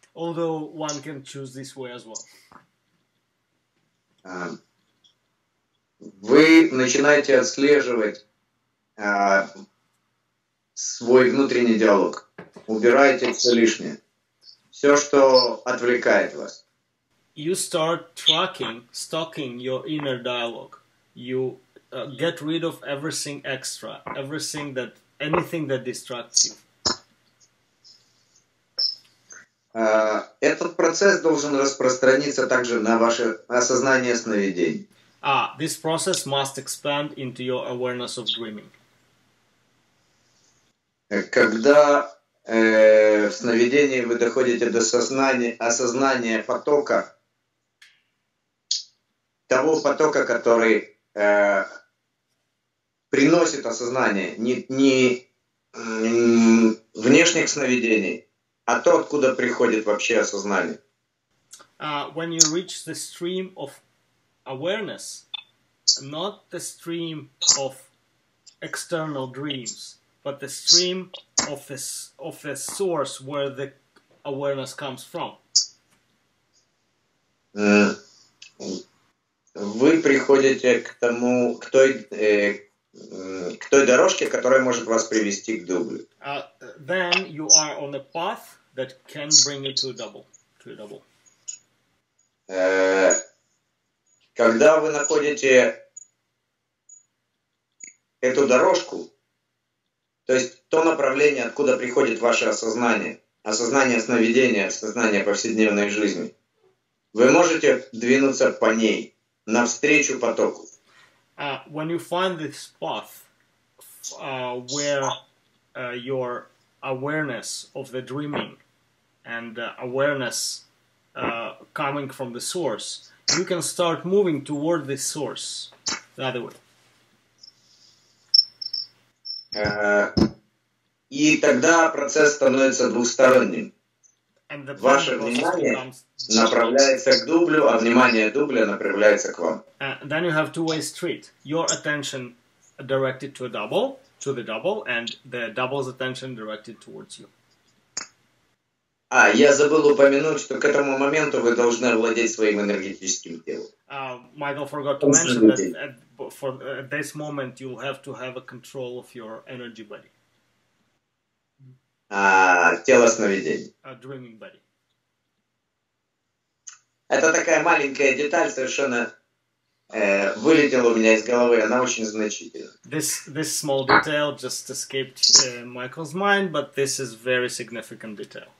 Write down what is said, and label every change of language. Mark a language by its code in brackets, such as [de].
[en] Although one can choose this way as well. [ru] Вы начинаете отслеживать свой внутренний диалог. Убираете все лишнее. Все, что отвлекает вас. [en] You start tracking, stalking your inner dialogue. You get rid of everything extra, everything that, anything that distracts you. [ru] Этот процесс должен распространиться также на ваше осознание сновидений. [en] This process must expand into your awareness of dreaming. [ru] Когда в сновидении вы доходите до сознания, осознания потока, того потока, который приносит осознание, не внешних сновидений, а то, откуда приходит вообще осознание. [en] When you reach the stream of awareness, not the stream of external dreams, but the stream of the source where the awareness comes from. [ru] Вы приходите к тому, к той дорожке, которая может вас привести к дублю. [en] Then you are on a path that can bring you to a double. To a double. [ru] Когда вы находите эту дорожку, то есть то направление, откуда приходит ваше осознание, осознание сновидения, осознание повседневной жизни, вы можете двинуться по ней, навстречу потоку. [en] When you find this path where your awareness of the dreaming and awareness coming from the source, you can start moving toward the source the other way. [ru] И тогда процесс становится двусторонним. Ваше внимание направляется к дублю, а внимание дубля направляется к вам. [en] Then you have two-way street. Your attention directed to a double, to the double, and the double's attention directed towards you. [ru] Я забыл упомянуть, что к этому моменту вы должны владеть своим энергетическим телом. [en] Michael forgot to mention that for this moment you have to have a control of your energy body. [ru] Тело сновидений. [en] A dreaming body. [ru] Это такая маленькая деталь, совершенно вылетела у меня из головы, она очень значительна. [en] This small detail just escaped Michael's mind, but this is very significant detail.